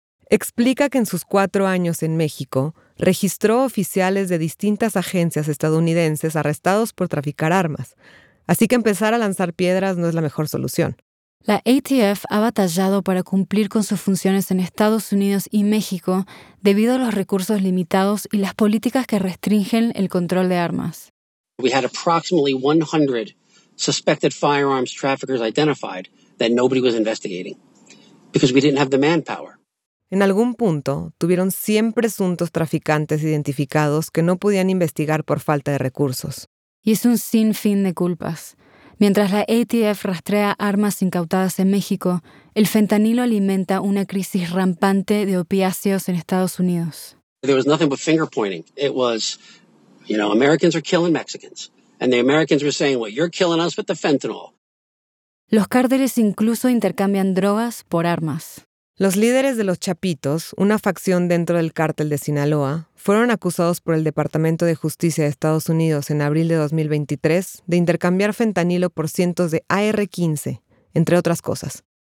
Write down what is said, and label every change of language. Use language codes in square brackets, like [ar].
[es] Explica que en sus 4 años en México, registró oficiales de distintas agencias estadounidenses arrestados por traficar armas. Así que empezar a lanzar piedras no es la mejor solución. La ATF ha batallado para cumplir con sus funciones en Estados Unidos y México debido a los recursos limitados y las políticas que restringen el control de armas. [en] We had approximately 100 suspected firearms traffickers identified that nobody was investigating because we didn't have the manpower. [es] En algún punto, tuvieron 100 presuntos traficantes identificados que no podían investigar por falta de recursos. Y es un sinfín de culpas. Mientras la ATF rastrea armas incautadas en México, el fentanilo alimenta una crisis rampante de opiáceos en Estados Unidos. [en] There was nothing but finger pointing. It was, you know, Americans are killing Mexicans. And the Americans were saying, well, you're killing us with the fentanyl. [es] Los cárteles incluso intercambian drogas por armas. Los líderes de los Chapitos, una facción dentro del cártel de Sinaloa, fueron acusados por el Departamento de Justicia de Estados Unidos en abril de 2023 de intercambiar fentanilo por cientos de AR-15, entre otras cosas.